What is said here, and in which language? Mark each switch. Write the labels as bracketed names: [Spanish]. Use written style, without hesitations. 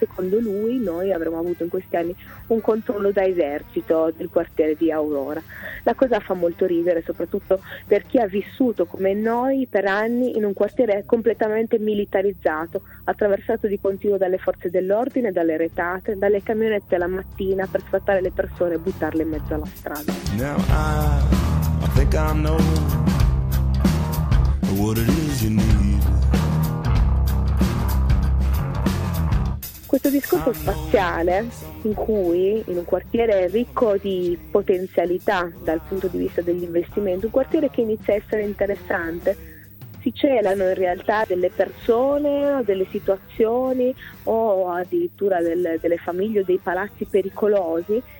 [Italian] Secondo lui, noi avremmo avuto in questi anni un controllo da esercito del quartiere di Aurora. La cosa fa molto ridere, soprattutto per chi ha vissuto come noi per anni in un quartiere completamente militarizzato, attraversato di continuo dalle forze dell'ordine, dalle retate, dalle camionette la mattina per sfrattare le persone e buttarle in mezzo alla strada. [English] I think I know what it is you need. [Italian] Questo discorso spaziale, in cui in un quartiere ricco di potenzialità dal punto di vista degli investimenti, un quartiere che inizia a essere interessante, si celano in realtà delle persone, delle situazioni o addirittura delle famiglie o dei palazzi pericolosi.